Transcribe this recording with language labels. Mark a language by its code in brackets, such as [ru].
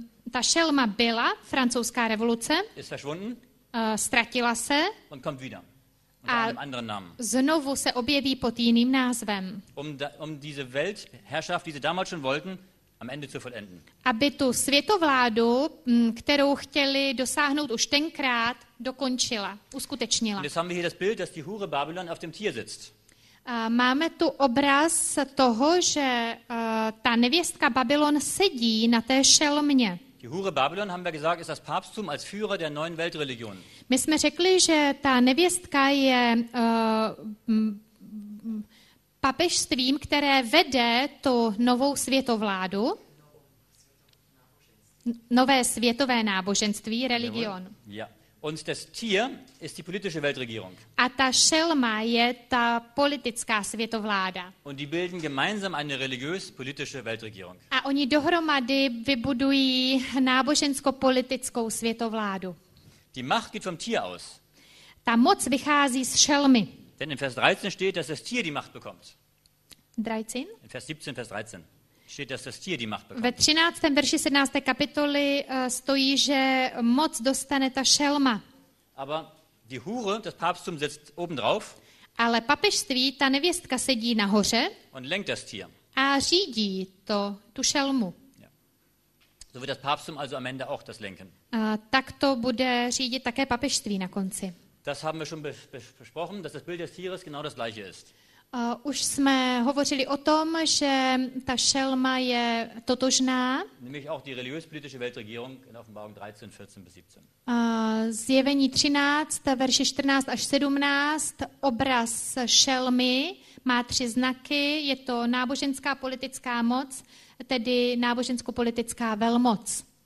[cs] Ta šelma byla francouzská revoluce. [de] Ist verschwunden. [cs] Ztratila se. [de] Und kommt wieder. [cs] A [de] anderen Namen. [cs] Znovu se objeví pod jiným názvem. [de] Um diese Weltherrschaft, die sie damals schon wollten, am Ende zu vollenden. [cs] Aby tu světovládu, kterou chtěli dosáhnout už tenkrát, dokončila, uskutečnila. [de] Und jetzt haben wir hier das Bild, dass die Hure Babylon auf dem Tier sitzt. [cs] Máme tu obraz toho, že ta nevěstka Babylon sedí na té šelmě. [de] Die Hure Babylon, haben wir gesagt, ist das Papsttum als Führer der neuen Weltreligion. [cs] My jsme řekli, že ta nevěstka je papežstvím, které vede tu novou světovládu, nové světové náboženství, religion. [de] Ja. Und das Tier ist die politische Weltregierung. [cs] A ta šelma je ta politická světovláda. [de] Und die bilden gemeinsam eine religiös-politische Weltregierung. [cs] A oni dohromady vybudují nábožensko-politickou světovládu. [de] Die Macht geht vom Tier aus. [cs] Ta moc vychází z šelmy. [de] Denn in Vers 13 steht, dass das Tier die Macht bekommt. 13? In Vers 17, Vers 13. Steht, dass das Tier die Macht bekommt. [cs] Ve 13. verši 17. kapitoly stojí, že moc dostane ta šelma. [de] Aber die Hure, das Papsttum sitzt oben drauf. [cs] Ale papežství, ta nevěstka sedí nahoře. [de] Und lenkt das Tier. [cs] A řídí to, tu šelmu. [de] Ja. So wird das Papsttum also am Ende auch das lenken. [cs] Tak to bude řídit také papežství na konci. [de] Das haben wir schon besprochen, dass das Bild des Tieres genau das gleiche ist. [cs] Už jsme hovořili o tom, že ta šelma je totožná. [de] Nämlich auch die religiös-politische Weltregierung in Offenbarung 13, 14 bis 17. [cs] Zjevení 13, verše 14 až 17, obraz šelmy má tři znaky, je to náboženská politická moc, tedy nábožensko-politická velmoc.